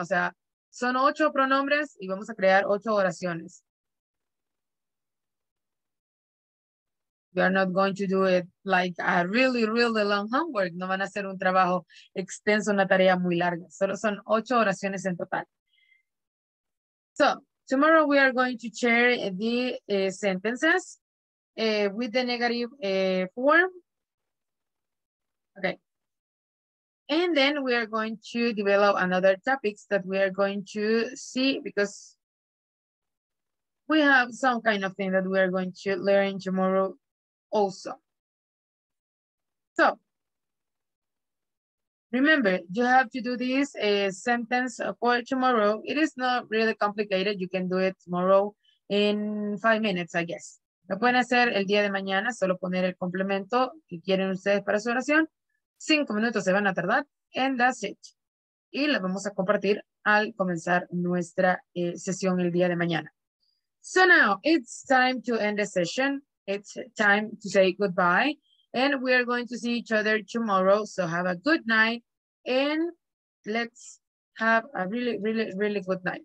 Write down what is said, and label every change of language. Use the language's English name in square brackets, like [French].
[Spanish] O sea, son 8 pronombres y vamos a crear 8 oraciones. [English] You are not going to do it like a really, really long homework. [Spanish] No van a hacer un trabajo extenso, una tarea muy larga. Solo son 8 oraciones en total. [English] So, tomorrow we are going to share the sentences with the negative form. Okay. And then we are going to develop another topics that we are going to see because we have some kind of thing that we are going to learn tomorrow also. So, remember, you have to do this sentence for tomorrow. It is not really complicated. You can do it tomorrow in 5 minutes, I guess. [Spanish] Lo pueden hacer el día de mañana, solo poner el complemento que quieren ustedes para su oración. 5 minutos se van a tardar, [English] and that's it. [Spanish] Y lo vamos a compartir al comenzar nuestra sesión el día de mañana. [English] So now it's time to end the session. It's time to say goodbye. And we are going to see each other tomorrow. So have a good night. And let's have a really, really, really good night.